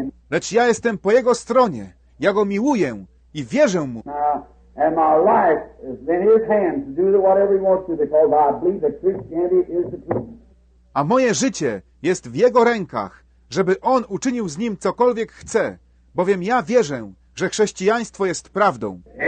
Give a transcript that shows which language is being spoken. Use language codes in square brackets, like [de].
[pl] Lecz ja jestem po jego stronie, ja go miłuję, i wierzę mu. [en] And my life is in his hands to do whatever he wants to, because I believe that Christianity is the truth. [pl] A moje życie jest w jego rękach, żeby on uczynił z nim cokolwiek chce, bowiem ja wierzę, że chrześcijaństwo jest prawdą.